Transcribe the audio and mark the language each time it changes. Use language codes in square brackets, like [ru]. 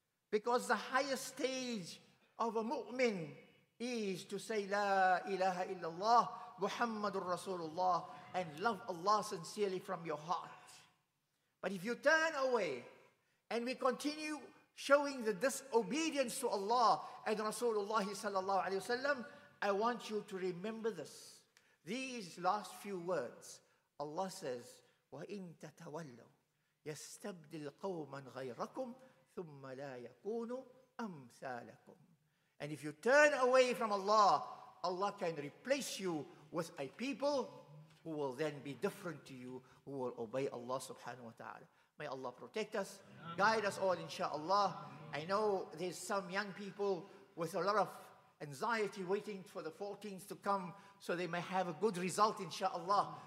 [en] Because the highest stage of a mu'min is to say, La ilaha illallah, Muhammadur Rasulullah, and love Allah sincerely from your heart. But if you turn away and we continue showing the disobedience to Allah and Rasulullah sallallahu alayhi wa sallam, I want you to remember this. These last few words. Allah says, [ar] وَإِن تَتَوَلَّوْا يَسْتَبْدِ الْقَوْمَ غَيْرَكُمْ ثُمَّ لَا يَكُونُ أَمْثَالَكُمْ. [en] And if you turn away from Allah, Allah can replace you with a people who will then be different to you, who will obey Allah subhanahu wa ta'ala. May Allah protect us, guide us all inshaAllah. I know there's some young people with a lot of anxiety waiting for the 14th to come so they may have a good result inshaAllah.